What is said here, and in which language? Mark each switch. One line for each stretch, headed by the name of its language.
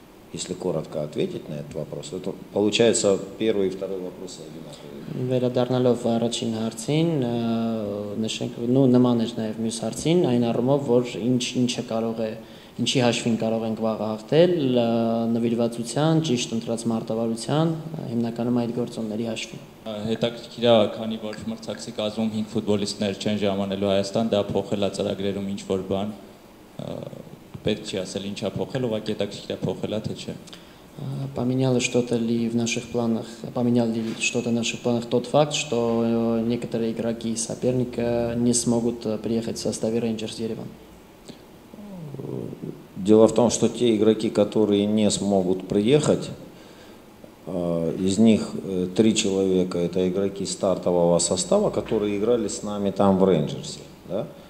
Russian: Если коротко ответить на этот вопрос, то получается первый и второй вопрос одинаковые.
Armenian: Վերադառնալով առաջին հարցին, նշենք, ну, նման էր նաև մյուս հարցին, այն առումով, որ ինչը կարող է, ինչի հաշվին կարող ենք վաղահաղթել, նվիրվածության, ճիշտ ընտրած մարտավարության, հիմնականում այդ գործոնների հաշվին։ Հետաքրքիր է, քանի որ մրցակցի կազմում 5 ֆուտբոլիստներ չեն ժամանելու Հայաստան, դա փոխել է ծրագրերում ինչ որ բան։
Russian: Поменяло что-то ли в наших планах, поменял ли что-то в наших планах тот факт, что некоторые игроки соперника не смогут приехать в составе Rangers Ереван? Дело в том, что те игроки, которые не смогут приехать, из них 3 человека это игроки стартового состава, которые играли с нами там в Rangers. Да?